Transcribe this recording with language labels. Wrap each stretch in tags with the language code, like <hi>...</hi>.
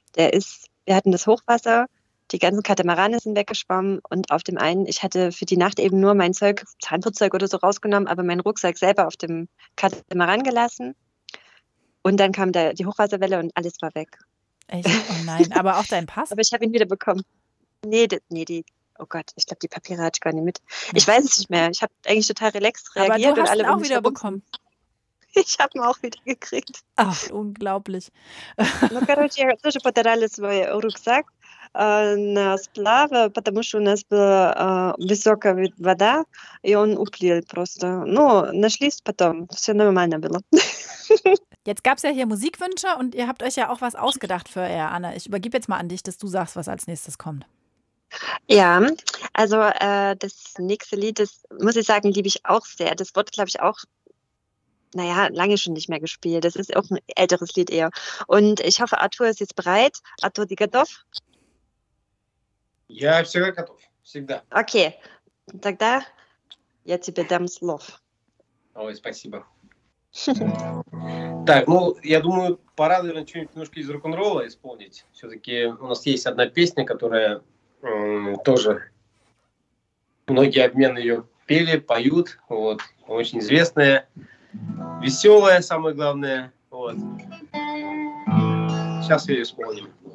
<de>Der ist, wir hatten das Hochwasser, die ganzen Katamarane sind weggeschwommen und auf dem einen, ich hatte für die Nacht eben nur mein Zeug, Zahnputzzeug oder so rausgenommen, aber meinen Rucksack selber auf dem Katamaran gelassen und dann kam die Hochwasserwelle und alles war weg. Echt? Oh nein, aber auch dein Pass? Aber ich habe ihn wieder bekommen. Nee, die... Oh Gott, ich glaube, die Papiere hatte ich gar nicht mit. Ich weiß es nicht mehr. Ich habe eigentlich total relaxed reagiert. Aber du hast ihn auch wieder bekommen. Ich habe ihn auch wieder gekriegt. Ach, unglaublich.</de> <ru>Ну, короче, я тоже потеряла свой рюкзак на сплаве, потому что у нас была высокая вода, и он уплыл просто. Ну, нашлись потом. Все нормально было.</ru> <de>Jetzt gab es ja hier Musikwünsche und ihr habt euch ja auch was ausgedacht für er, Anna. Ich übergebe jetzt mal an dich, dass du sagst, was als nächstes kommt. Ja, also das nächste Lied, das muss ich sagen, liebe ich auch sehr. Das wurde, glaube ich, auch, naja, lange schon nicht mehr gespielt. Das ist auch ein älteres Lied eher. Und ich hoffe, Arthur ist jetzt bereit.</de> <ru>Arthur, ты готов? Я всегда готов. Всегда. Okay, тогда я тебе дам слов. Ой, спасибо. Так, ну, я думаю, пора, наверное, что-нибудь немножко из рок-н-ролла исполнить. Все-таки у нас есть одна песня, которая... тоже многие обмены ее пели, поют, вот, очень известная, веселая, самое главное, вот, сейчас ее исполним.</ru>